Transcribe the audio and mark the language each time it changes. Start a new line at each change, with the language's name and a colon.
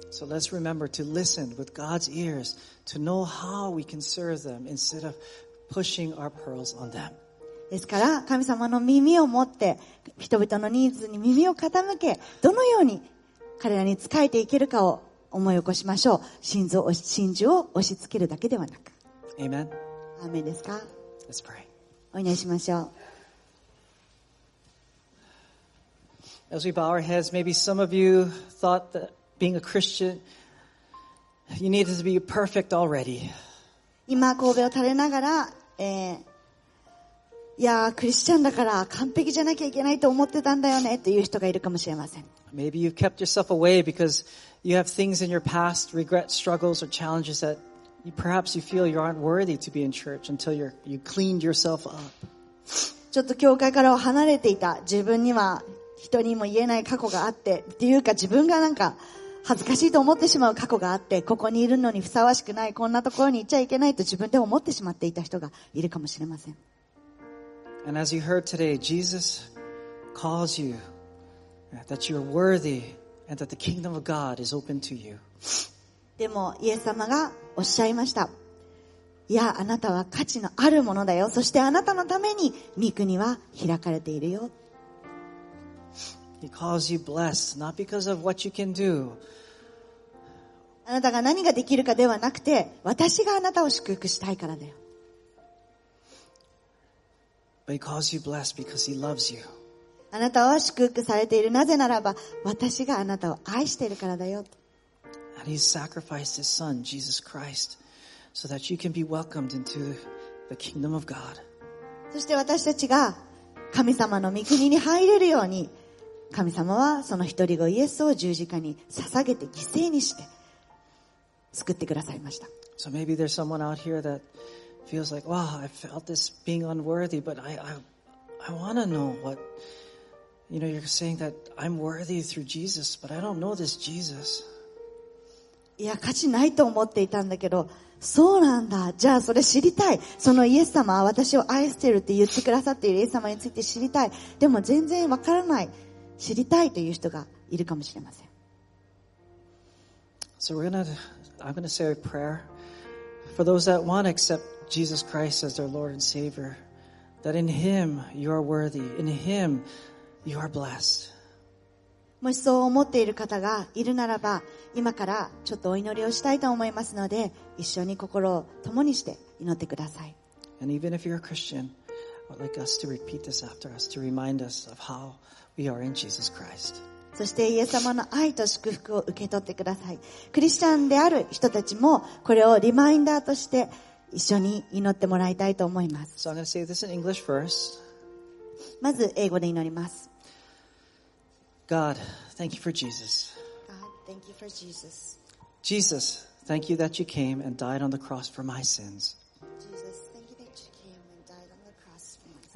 English: So let's remember to listen with God's ears to know how we can serve them instead of pushing our pearls on them.
Japanese: ですから、神様の耳を持って、人々のニーズに耳を傾け、どのように彼らに仕えていけるかを思い起こしましょう。真珠を押し付けるだけではなく。
English: Amen.
Japanese: アーメンですか?
English: Let's pray.
Japanese: お祈りしましょう。
English: As we bow our heads, maybe some of you thought that being a Christian, you needed to be perfect already.
Japanese: 今、頭を垂れながら、いや、クリスチャンだから完璧じゃなきゃいけないと思ってたんだよねという人がいるかもしれません。
English: Maybe you've kept yourself away because you have things in your past, regrets, struggles, or challenges that you, perhaps you feel you aren't worthy to be in church until you cleaned yourself up.
Japanese: ちょっと教会からは離れていた自分には人にも言えない過去があって、っていうか自分がなんか恥ずかしいと思ってしまう過去があって、ここにいるのにふさわしくない、こんなところに行っちゃいけないと自分で思ってしまっていた人がいるかもしれません。
English: And as you heard today, Jesus calls you that you're worthy and that the kingdom of God is open to you.
Japanese: でもイエス様がおっしゃいました。いや、あなたは価値のあるものだよ。そしてあなたのために御国は開かれているよ。
English: He calls you blessed, not because of what you can do.
Japanese: あなたが何ができるかではなくて、私があなたを祝福したいからだよ。
English: But he calls you blessed because he loves you.
Japanese: あなたを祝福されているなぜならば、私があなたを愛しているからだよ。
English: And he sacrificed his son, Jesus Christ, so that you can be welcomed into the kingdom of God.
Japanese: そして私たちが神様の御国に入れるように、神様はその一人子イエスを十字架に捧げて犠牲にして救ってくださいました。
English: So maybe there's someone out here that feels like, wow, I felt this being unworthy, but I want to know what You know, you're saying that I'm worthy through Jesus, but I don't know this Jesus.
Japanese: いや、価値ないと思っていたんだけど、そうなんだ。じゃあそれ知りたい。そのイエス様は私を愛してるって言ってくださっているイエス様について知りたい。でも全然わからない。知りたいという人がいるかもしれません。
English: So we're gonna, I'm gonna say a prayer for those that want to accept Jesus Christ as their Lord and Savior. That in Him you are worthy. In Him you are blessed.
Japanese: もしそう思っている方がいるならば、今からちょっとお祈りをしたいと思いますので、一緒に心を共にして祈ってください。
English: And even if you're a Christian, I'd like us to repeat this after us to remind us of how we are in Jesus Christ.
Japanese: そしてイエス様の愛と祝福を受け取ってください。クリスチャンである人たちもこれをリマインダーとして一緒に祈ってもらいたいと思います。
English: So I'm going to say this in English first.
Japanese: まず英語で祈ります。
English: God, thank you for Jesus. God, thank you for Jesus. Jesus, thank you that you came and died on the cross for my sins. Jesus, thank you that you came and died on the cross for my sins.